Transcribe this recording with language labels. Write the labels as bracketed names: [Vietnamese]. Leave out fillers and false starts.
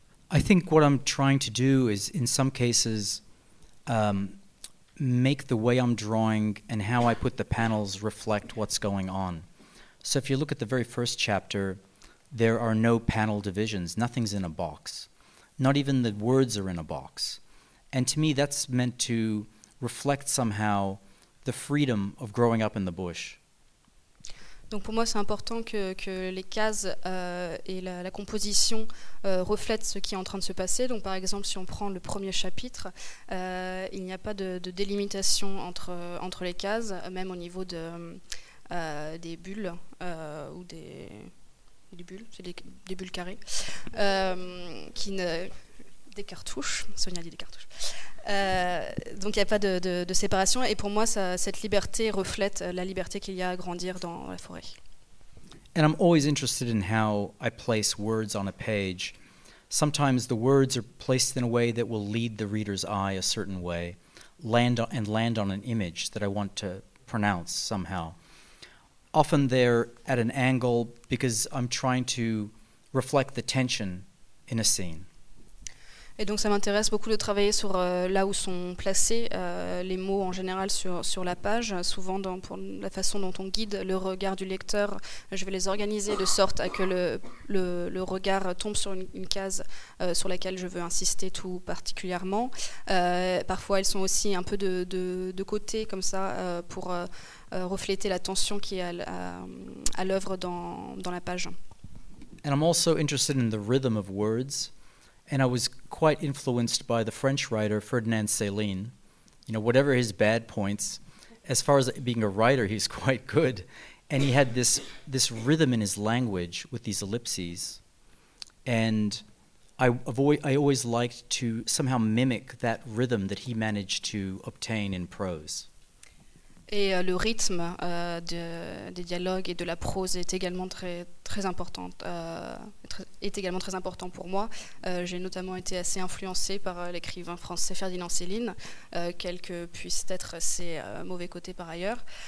[English] I think what I'm trying to do is, in some cases, make the way I'm drawing and how I put the panels reflect what's going on. So if you look at the very first chapter, there are no panel divisions. Nothing's in a box. Not even the words are in a box. And to me, that's meant to reflect somehow the freedom of growing up in the bush. [French] Donc pour moi, c'est important que les cases et la composition reflètent ce qui est en train de se passer. Donc par exemple, si on prend le premier chapitre, il n'y a pas de délimitation entre les cases, même au niveau des bulles ou des bulles, c'est des bulles carrées, des cartouches, Sonia dit des cartouches. Donc il n'y a pas de séparation, et pour moi cette liberté reflète la liberté qu'il y a à grandir dans la forêt. [English] And I'm always interested in how I place words on a page. Sometimes the words are placed in a way that will lead the reader's eye a certain way, land on an image that I want to pronounce somehow. Often they're at an angle because I'm trying to reflect the tension in a scene. [French] Et donc ça m'intéresse beaucoup de travailler sur là où sont placés les mots en général sur la page. Souvent, pour la façon dont on guide le regard du lecteur, je vais les organiser de sorte à que le regard tombe sur une case sur laquelle je veux insister tout particulièrement. Parfois, elles sont aussi un peu de côté, comme ça, pour refléter la tension qui est à l'œuvre dans la page. [English] And I'm also interested in the rhythm of words. And I was quite influenced by the French writer Ferdinand Céline. You know, whatever his bad points, as far as being a writer, he's quite good. And he had this rhythm in his language with these ellipses. And I always liked to somehow mimic that rhythm that he managed to obtain in prose. [French] Et le rythme des dialogues et de la prose est également très important pour moi. J'ai notamment été assez influencée par l'écrivain français Ferdinand Céline, quels que puissent être ses mauvais côtés par ailleurs.